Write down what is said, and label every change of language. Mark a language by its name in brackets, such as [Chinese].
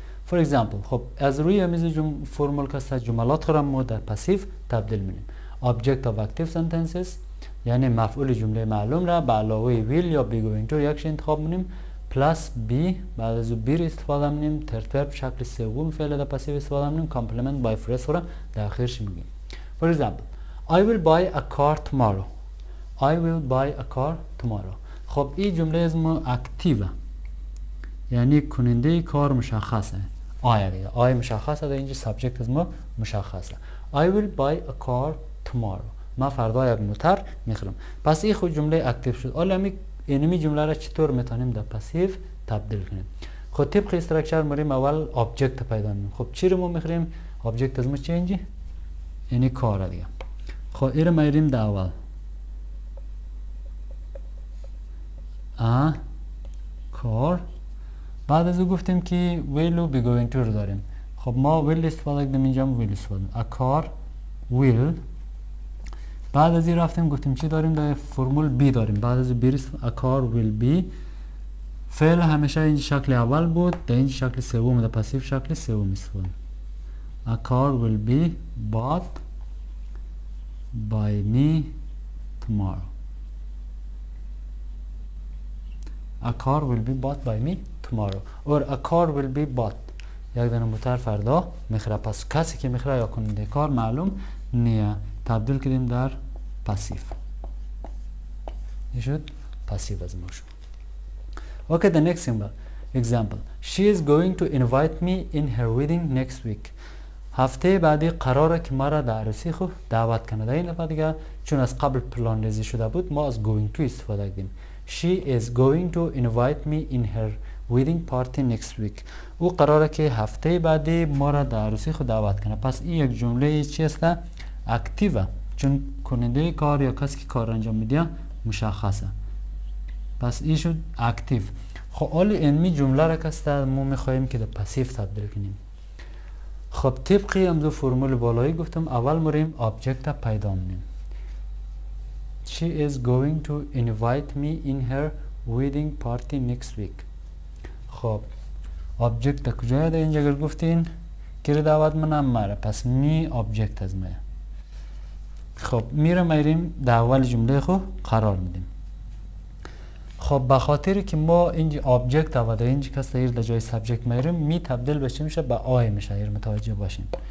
[English] For example، [Persian] خب از روی همیز فرمول کسته جملات را ما در پسیف تبدیل میدیم. [English] object of active sentences [Persian] یعنی مفعول جمله معلوم را به علاوه will یا be going to یک شی انتخاب مونیم، [English] plus be، [Persian] بعد از او be را استفاده مونیم، [English] third verb [Persian] شکل سوم فعل در پسیو استفاده مونیم، [English] complement by phrase [Persian] را در آخرش میگیم. [English] for example I will buy a car tomorrow. I will buy a car tomorrow. [Persian] خب این جمله از ما اکتیوه، یعنی کننده کار مشخصه. I مشخصه، در اینجا subject از ما مشخصه. [English] I will buy a car tomorrow. [Persian] ما فردا یک موتر میخرم. پس این خود جمله اکتیو شد. حالا اینمی جمله را چطور میتونیم در پسیو تبدیل کنیم؟ خب طبق استرکچر میریم اول آبجکت پیدا میکنیم. خب چی رو ما میخریم؟ آبجکت از ما چی اینجی؟ یعنی کار دیگه. خب این رو میریم در اول کار، بعد از او گفتیم که will و be going to رو داریم. خب ما will استفاده کنیم، اینجا هم will استفاده کنیم. [English] a car will، [Persian] بعد از این رفتیم گفتیم چی داریم؟ در فرمول بی داریم. بعد از بی [English] a car will be، [Persian] فعل همیشه این شکل اول بود، در این شکل سوم در پسیو شکل سوم استفاده. [English] a car will be bought by me tomorrow. a car will be bought by me tomorrow or a car will be bought، [Persian] یک دانه موتر فردا میخره. پس کسی که میخره یا کننده کار معلوم نیه، تبدیل کردیم در پاسیف. این شد پاسیف از موشو. [English] OK، the next example. She is going to invite me in her wedding next week. [Persian] هفته بعدی قراره که مرا در عروسی خو دعوت کنه. در این دفعه دیگه چون از قبل پلان ریزی شده بود، ما از going to استفاده کردیم. [English] She is going to invite me in her wedding party next week. [Persian] او قراره که هفته بعدی مرا در عروسی خو دعوت کنه. پس این یک جمله چی است؟ اکتیوه، چون کننده کار یا کسی که کار انجام میده مشخصه. پس این شد اکتیو. خب اول انمی جمله را کسته ما میخواییم که در پسیف تبدیل کنیم. خب طبقی هم دو فرمول بالایی گفتم، اول مریم آبجکت را پیدا مونیم. [English] She is going to invite me in her wedding party next week. [Persian] خب آبجکت را کجا در اینجا اگر گفتین؟ که را دعوت منم مره، پس می آبجکت از مره. خب میرم ایریم در اول جمله خو قرار میدیم. خب به خاطر که ما اینج آبجکت و در اینج کس در جای سبجکت میریم می تبدیل بشه میشه به آی میشه اگر متوجه باشین.